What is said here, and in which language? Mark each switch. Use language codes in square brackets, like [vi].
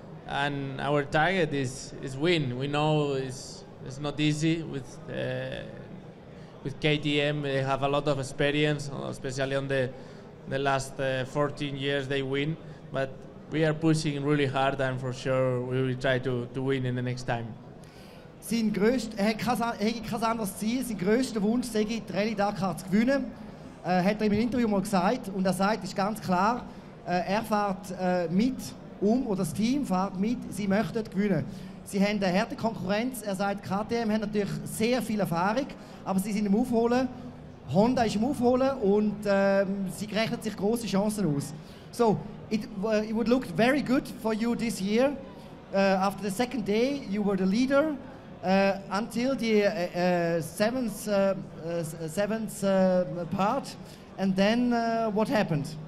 [en] And our target is win. We know it's not easy with KTM. They have a lot of experience, especially on the last 14 years they win. But we are pushing really hard, and for sure we will try to win in the next time. [de] Sein größtes anderes Ziel, sein größter Wunsch, sei die Rallye Dakar zu gewinnen, hat er im Interview mal gesagt. Und er sagt, ist ganz klar, er fährt mit. Oder das Team fährt mit, sie möchten gewinnen. Sie haben eine harte Konkurrenz. Er sagt, KTM hat natürlich sehr viel Erfahrung, aber sie sind im Aufholen. Honda ist im Aufholen und sie rechnen sich große Chancen aus. [en] So, it would look very good for you this year. After the second day, you were the leader until the seventh part. And then what happened?